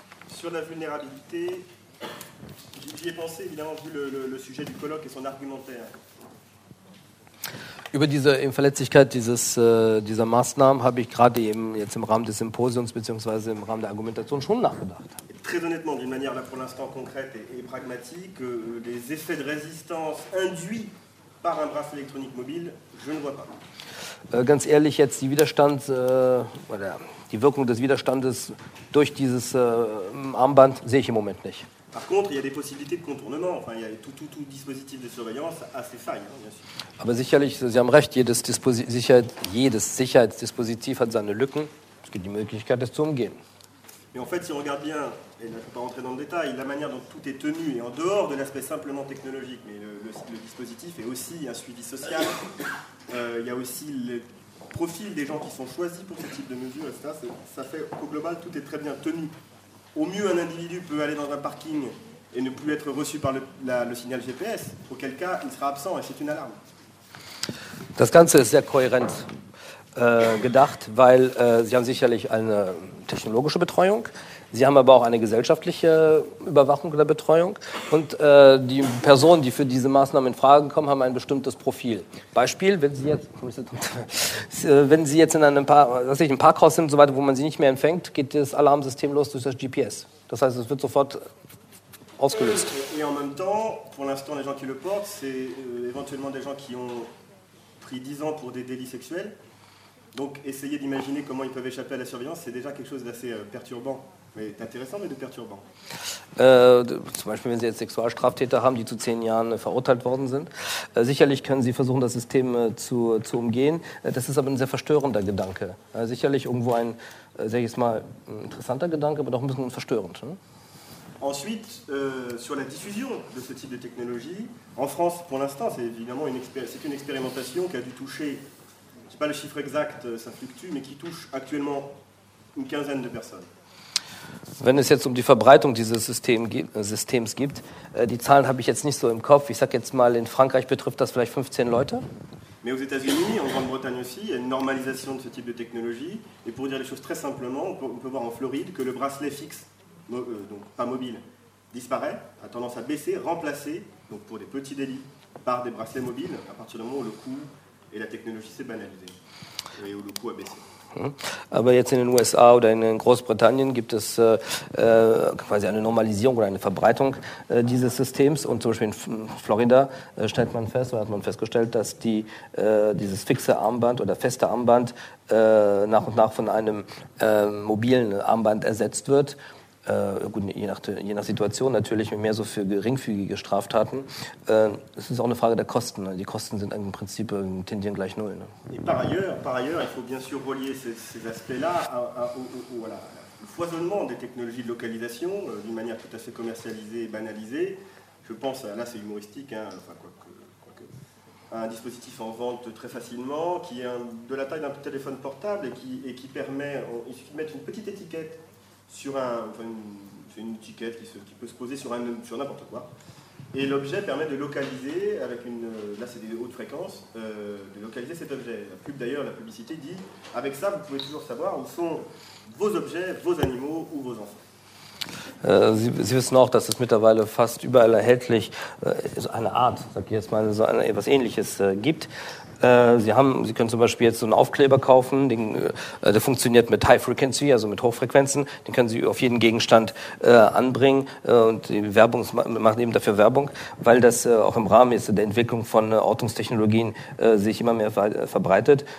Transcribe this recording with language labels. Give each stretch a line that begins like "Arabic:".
French: Sur la vulnérabilité, j'y ai pensé évidemment vu le sujet du colloque et son argumentaire.
German: Über diese Verletzlichkeit dieser Maßnahmen habe ich gerade eben jetzt im Rahmen des Symposiums bzw. im Rahmen der Argumentation schon nachgedacht.
French: Très honnêtement, d'une manière là pour l'instant concrète et pragmatique, les effets de résistance induits par un bracelet électronique mobile, je ne vois pas.
German: Ganz ehrlich, jetzt die Widerstand oder die Wirkung des Widerstandes durch dieses Armband sehe ich im Moment nicht.
French: Par contre, il y a des possibilités de contournement. Enfin, il y a tout dispositif de surveillance a ses failles.
German: Aber sicherlich, Sie haben recht, jedes Sicherheitsdispositiv hat seine Lücken. Es gibt die Möglichkeit, das zu umgehen.
French: Mais en fait, si on regarde bien, et là, je ne vais pas rentrer dans le détail, la manière dont tout est tenu est en dehors de l'aspect simplement technologique, mais le dispositif est aussi un suivi social. Il y a aussi le profil des gens qui sont choisis pour ce type de mesure, etc. Ça fait qu'au global, tout est très bien tenu. Au mieux, un individu peut aller dans un parking et ne plus être reçu par le signal GPS, auquel cas, il sera absent et c'est une alarme.
German: Das Ganze ist sehr kohärent gedacht, weil Sie haben sicherlich eine technologische Betreuung, Sie haben aber auch eine gesellschaftliche Überwachung oder Betreuung und die Personen, die für diese Maßnahmen in Frage kommen, haben ein bestimmtes Profil. Beispiel, wenn Sie jetzt in einem ein Parkhaus sind und so weiter, wo man Sie nicht mehr empfängt, geht das Alarmsystem los durch das GPS. Das heißt, es wird sofort ausgelöst.
French: Et en même temps, pour l'instant, les gens qui le portent, c'est éventuellement des gens qui ont pris 10 ans pour des délits sexuels. Donc, essayer d'imaginer comment ils peuvent échapper à la surveillance, c'est déjà quelque chose d'assez perturbant.
German: Zum Beispiel, wenn Sie jetzt Sexualstraftäter haben, die zu 10 Jahren verurteilt worden sind. Sicherlich können Sie versuchen, das System zu umgehen. Das ist aber ein sehr verstörender Gedanke. Sicherlich irgendwo ein, sag ich jetzt mal, interessanter Gedanke, aber doch ein bisschen verstörend. Ne?
French: Ensuite, sur la diffusion de ce type de technologie, en France, pour l'instant, c'est évidemment une expérimentation qui a dû toucher, je ne sais pas le chiffre exact, ça fluctue, mais qui touche actuellement une quinzaine de personnes.
German: Wenn es jetzt um die Verbreitung dieses Systems geht, die Zahlen habe ich jetzt nicht so im Kopf. Ich sage jetzt mal, in Frankreich betrifft das vielleicht 15 Leute.
French: Mais aux États-Unis, en Grande-Bretagne aussi, il y a une normalisation de ce type de technologie. Et pour dire les choses très simplement, on peut voir en Floride que le bracelet fixe, donc pas mobile, disparaît, a tendance à baisser, remplacé, donc pour des petits délits, par des bracelets mobiles, à partir du moment où le coût et la technologie s'est banalisée et où le coût a baissé.
German: Aber jetzt in den USA oder in Großbritannien gibt es quasi eine Normalisierung oder eine Verbreitung dieses Systems. Und zum Beispiel in Florida stellt man fest, oder hat man festgestellt, dass dieses fixe Armband oder feste Armband nach und nach von einem mobilen Armband ersetzt wird. Gut, je nach Situation natürlich, mehr so für geringfügige Straftaten. Es ist auch eine Frage der Kosten. Die Kosten sind im Prinzip tendieren gleich null.
French: Et par ailleurs, il faut bien sûr relier ces aspects-là au foisonnement des technologies de localisation d'une manière tout à fait commercialisée et banalisée. Je pense, là c'est humoristique, hein, enfin, quoi que, un dispositif en vente très facilement qui est de la taille d'un téléphone portable et qui permet, il suffit de mettre une petite étiquette sur une étiquette qui peut se poser sur n'importe quoi. Et l'objet permet de localiser, avec une, là c'est des hautes fréquences, de localiser cet objet. La publicité dit, avec ça, vous pouvez toujours savoir où sont vos objets, vos animaux ou vos enfants.
German: Sie wissen auch, dass es mittlerweile fast überall erhältlich, so eine Art, sag ich jetzt mal, so etwas Ähnliches gibt. Sie können zum Beispiel jetzt so einen Aufkleber kaufen, der funktioniert mit High Frequency, also mit Hochfrequenzen. Den können Sie auf jeden Gegenstand anbringen und die Werbung macht eben dafür Werbung, weil das auch im Rahmen ist der Entwicklung von Ortungstechnologien sich immer mehr verbreitet.